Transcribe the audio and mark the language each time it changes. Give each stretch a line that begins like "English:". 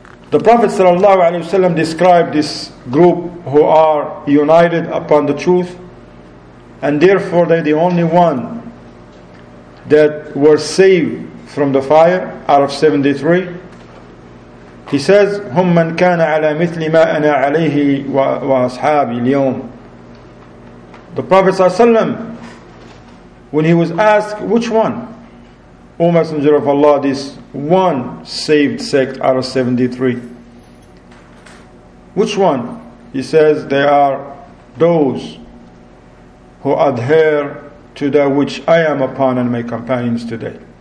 English: The Prophet sallallahu alaihi wasallam described this group who are united upon the truth, and therefore they're the only one that were saved from the fire out of 73. He says,
Arabic: هم من كان على مثل ما أنا عليه وأصحابي اليوم.
English: The Prophet ﷺ, when he was asked, which one, O Messenger of Allah, this one saved sect out of 73, which one? He says, they are those who adhere to that which I am upon and my companions today.